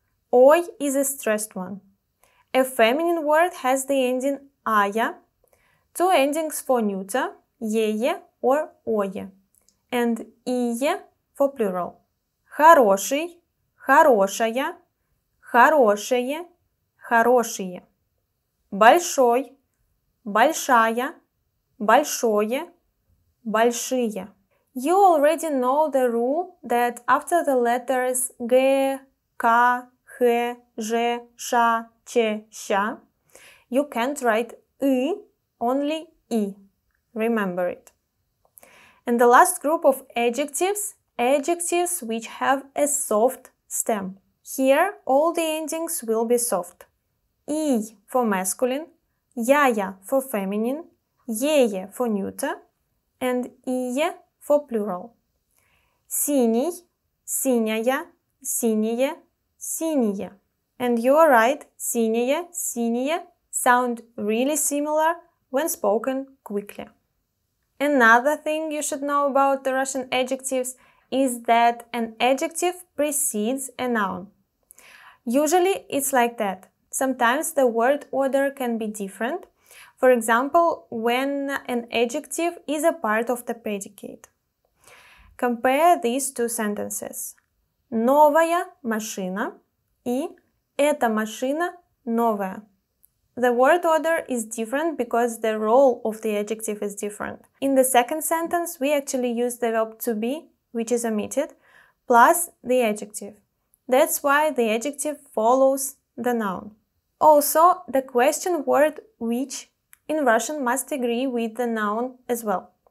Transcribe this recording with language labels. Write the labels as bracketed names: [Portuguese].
[English] Ой is a stressed one. A feminine word has the ending ая, two endings for neuter, ее or ое, and ие for plural. [Russian] Хороший, хорошая, хорошее, хорошие. Большой, большая, большое, большие. [English] You already know the rule that after the letters г, к, х, ж, ш, ч, щ, you can't write ы, only и. Remember it. And the last group of adjectives, adjectives which have a soft stem. Here all the endings will be soft. И for masculine, яя for feminine, ее for neuter, and ие for plural. [Russian] Синий, синяя, синие, синие. [English] And you are right, синие, синие sound really similar when spoken quickly. Another thing you should know about the Russian adjectives is that an adjective precedes a noun. Usually it's like that. Sometimes the word order can be different. For example, when an adjective is a part of the predicate. Compare these two sentences. [Russian] Новая машина и эта машина новая. [English] The word order is different because the role of the adjective is different. In the second sentence, we actually use the verb to be, which is omitted, plus the adjective. That's why the adjective follows the noun. Also, the question word which in Russian must agree with the noun as well.